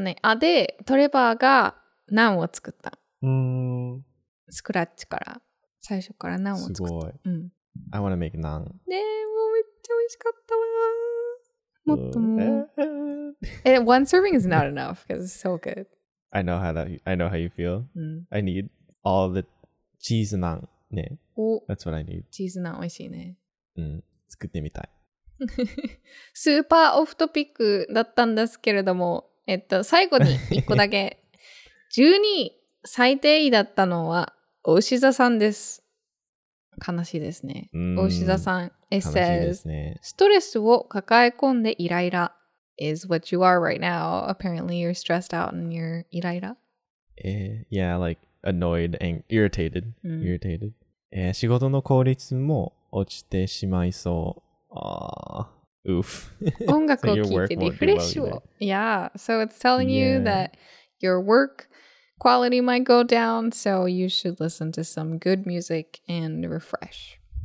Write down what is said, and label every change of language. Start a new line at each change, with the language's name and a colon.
Japanese: ね、あ、で、トレバーがナンを作った。スクラッチから。最初からナンを作った。すごい。うん、
English: I wanna make ナン。
Japanese: ねえ、もうめっちゃ美味しかったわ。もっとも。
English: And one serving is not enough because it's so good. I know how you feel.、
Japanese: うん、
English: I need all the cheese ナン。ね、
Japanese: お、
English: That's what I need.
Japanese: チーズナン美味しいね。うん、作ってみたい。スーパーオフトピックだったんですけれども、最後に1個だけ。 12位、最低位だったのは、牡牛座さんです。悲しいですね。牡牛座さん、
English: It says、
Japanese: ね、ストレスを抱え込んでイライラ。
English: Is what you are right now. Apparently you're stressed out and you're イライラ。 Yeah, like annoyed and irritated.、うん、irritated.
Japanese: 仕事の効率も落ちてしまいそう。
English: Oof.
Japanese: 音楽を聴いてリフレッシュを。
English: Yeah, so it's telling you that your work quality might go down, so you should listen to some good music and refresh.